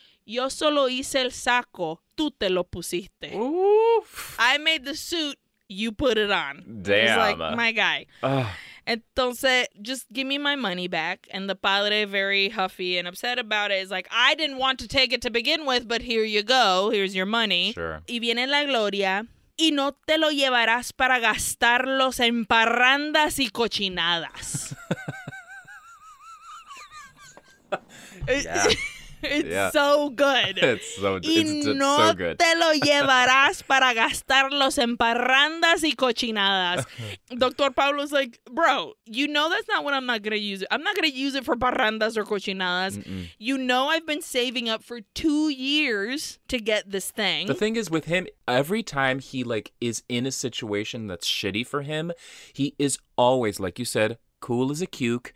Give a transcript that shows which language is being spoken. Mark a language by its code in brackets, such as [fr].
[es] Yo solo hice el saco. Tú te lo pusiste. Oof. [en] I made the suit. You put it on. Damn. He's like, my guy. Entonces, just give me my money back. And the padre, very huffy and upset about it, is like, I didn't want to take it to begin with, but here you go. Here's your money. Sure. [es] Y viene la Gloria. Y no te lo llevarás para gastarlos en parrandas y cochinadas. [en] It's so good. It's so good. [es] Y no te lo llevarás para gastarlos en parrandas y cochinadas. [en] Dr. Pablo's like, bro, you know that's not what I'm not going to use it. I'm not going to use it for parrandas or cochinadas. Mm-mm. You know I've been saving up for 2 years to get this thing. The thing is with him, every time he like is in a situation that's shitty for him, he is always, like you said, cool as a cuke,